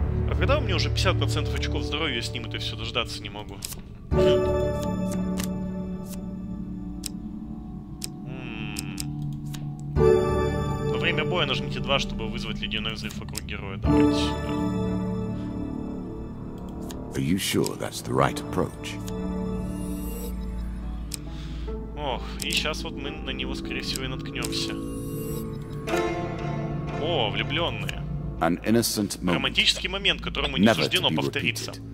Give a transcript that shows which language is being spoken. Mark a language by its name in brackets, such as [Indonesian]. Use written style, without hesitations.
[Russian] А когда у меня уже 50% очков здоровья снимут, я все дождаться не могу. Во время боя нажмите 2, чтобы вызвать ледяной взрыв вокруг героя. Давайте сюда. [English] Are you sure that's the right approach? [Russian] Ох, и сейчас вот мы на него, скорее всего, и наткнемся. О, влюбленные. Романтический момент, которому не суждено повториться.